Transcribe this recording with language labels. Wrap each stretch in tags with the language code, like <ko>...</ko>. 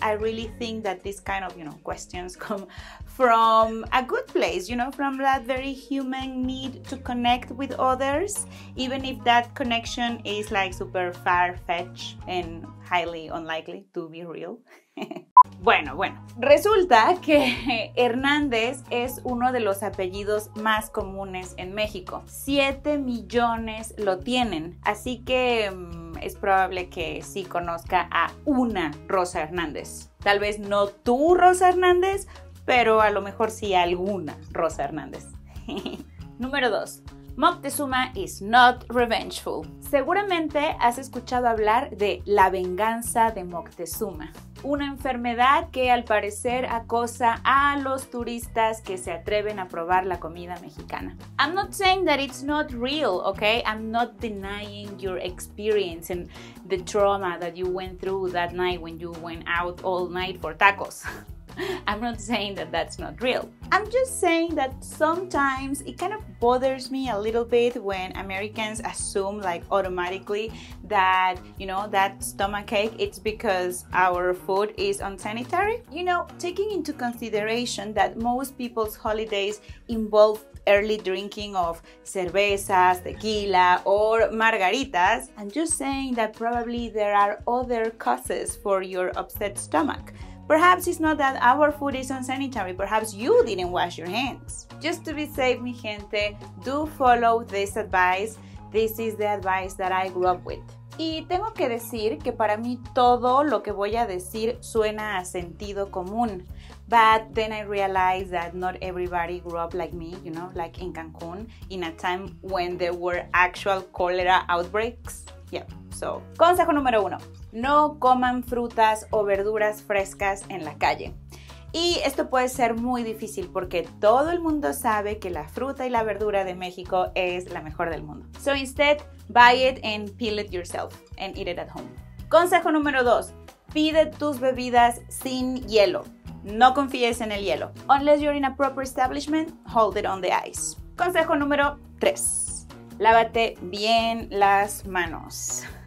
<en>I really think that this kind of, you know, questions come from a good place, you know, from that very human need to connect with others, even if that connection is like super far-fetched and highly unlikely to be real.</en> <es>Bueno, bueno, resulta que Hernández es uno de los apellidos más comunes en México. 7 millones lo tienen, así que es probable que sí conozca a una Rosa Hernández. Tal vez no tú, Rosa Hernández, pero a lo mejor sí alguna Rosa Hernández. Número 2.</es> <en>Moctezuma is not revengeful.</en> <es>Seguramente has escuchado hablar de la venganza de Moctezuma. Una enfermedad que al parecer acosa a los turistas que se atreven a probar la comida mexicana.</es> <en>I'm not saying that it's not real, okay? I'm not denying your experience and the trauma that you went through that night when you went out all night for tacos. I'm not saying that that's not real. I'm just saying that sometimes it kind of bothers me a little bit when Americans assume like automatically that, you know, that stomachache, it's because our food is unsanitary. You know, taking into consideration that most people's holidays involve early drinking of cervezas, tequila, or margaritas, I'm just saying that probably there are other causes for your upset stomach. Perhaps it's not that our food is unsanitary, perhaps you didn't wash your hands. Just to be safe,</en> <es>mi gente,</es> <en>do follow this advice. This is the advice that I grew up with.</en> <es>Y tengo que decir que para mí todo lo que voy a decir suena a sentido común.</es> <en>But then I realized that not everybody grew up like me, you know, like in Cancun, in a time when there were actual cholera outbreaks. Yeah, so,</en> <es>consejo número uno. No coman frutas o verduras frescas en la calle. Y esto puede ser muy difícil porque todo el mundo sabe que la fruta y la verdura de México es la mejor del mundo.</es> <en>So instead, buy it and peel it yourself and eat it at home.</en> <es>Consejo número 2. Pide tus bebidas sin hielo. No confíes en el hielo.</es> <en>Unless you're in a proper establishment, hold it on the ice.</en> <es>Consejo número 3. Lávate bien las manos.</es>